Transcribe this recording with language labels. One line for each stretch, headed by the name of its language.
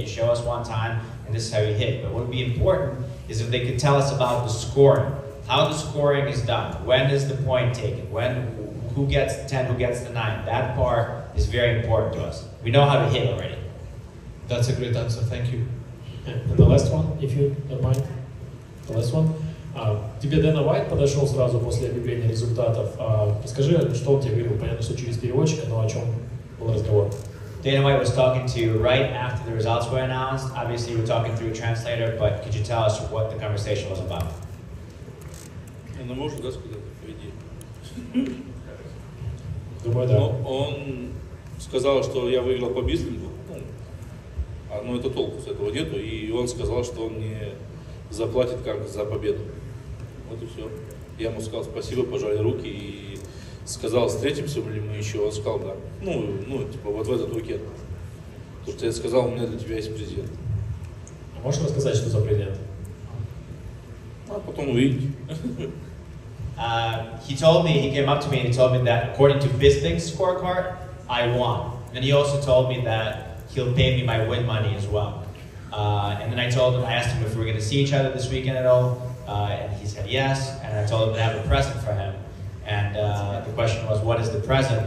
English: You show us one time, and this is how you hit. But what would be important is if they could tell us about the scoring, how the scoring is done, when is the point taken, when. Who gets the 10, who gets the 9? That part is very important to us. We know how to hit already. That's a great answer, thank you. And the last one, if you don't mind. The last one.
Russian: Тебе Дэна Уайт подошел сразу после объявления результатов. Расскажи, что он тебе говорил, понятно, что через переводчика, но о чем был разговор?
English: Dana White was talking to you right after the results were announced. Obviously, you were talking through a translator, but could you tell us what the conversation was about?
Russian: Ну, может, господи, иди. Думаю, да. Но он сказал, что я выиграл по бизнесу, но это толку с этого нету, и он сказал, что он мне заплатит как за победу. Вот и все. Я ему сказал спасибо, пожали руки и сказал, встретимся ли мы еще, он сказал да. Ну, типа вот в этот уикенд. То, что я сказал, у меня для тебя есть презент. А можешь рассказать, что за презент? А потом увидите.
English: He told me, he came up to me and he told me that according to Bisping's scorecard, I won. And he also told me that he'll pay me my win money as well. And then I told him, I asked him if we were going to see each other this weekend at all. And he said yes. And I told him that I have a present for him. And the question was, what is the present?